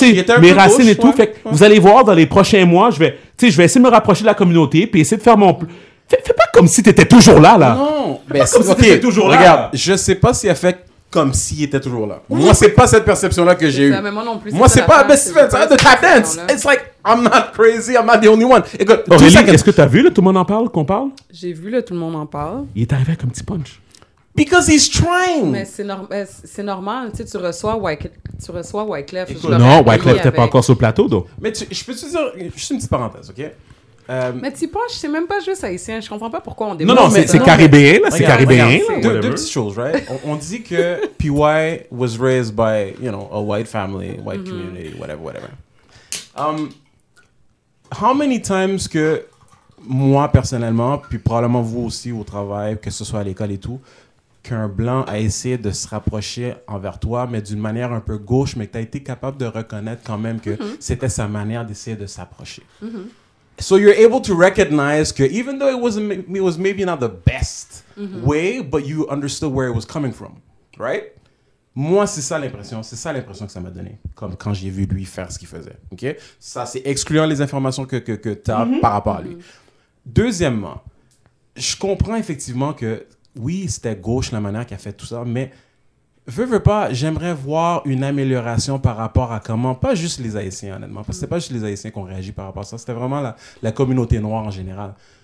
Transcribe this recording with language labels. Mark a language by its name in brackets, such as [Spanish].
[French] tu sais, mes racines gauche, et tout. Ouais, fait que ouais. Vous allez voir, dans les prochains mois, je vais... Tu sais, je vais essayer de me rapprocher de la communauté puis essayer de faire mon... Fais pas comme si t'étais toujours là, là. Non. Fais ben, pas comme si t'étais toujours regarde, là. Regarde, je sais pas s'il a fait comme s'il était toujours là. Oui. Moi, c'est pas cette perception-là que j'ai eue. Moi, c'est pas... Ben, Steven, arrête de tap dance. [English] It's like, I'm not crazy, I'm not the only one. [French] Écoute, Aurélie, est-ce que t'as vu, là, tout le monde en parle, qu'on parle? J'ai vu, là, tout le monde en parle. Il est arrivé avec un petit punch. [English] Because he's trying. [French] Mais c'est normal, tu sais, tu reçois Wyclef. Non, Wyclef t'es pas encore sur le plateau, donc. Mais je peux te dire juste une petite parenthèse, OK? Mais tu penses, c'est même pas juste haïtien, je comprends pas pourquoi on débat. Non, c'est caribéen, là, regarde, c'est caribéen. Regarde, c'est, deux petites choses, right? On dit que [English] PY was raised by, you know, a white family, white community, whatever. How many times [French] que moi, personnellement, puis probablement vous aussi au travail, que ce soit à l'école et tout, qu'un blanc a essayé de se rapprocher envers toi, mais d'une manière un peu gauche, mais que tu as été capable de reconnaître quand même que c'était sa manière d'essayer de s'approcher. [English] So you're able to recognize, even though it was maybe not the best way, but you understood where it was coming from, right? [French] Moi, c'est ça l'impression que ça m'a donné, comme quand j'ai vu lui faire ce qu'il faisait, OK? Ça, c'est excluant les informations que tu as par rapport à lui. Deuxièmement, je comprends effectivement que, oui, c'était gauche la manière qu'il a fait tout ça, mais veux pas, j'aimerais voir une amélioration par rapport à comment, pas juste les Haïtiens, honnêtement, parce que c'est pas juste les Haïtiens qui ont réagi par rapport à ça, c'était vraiment la communauté noire en général.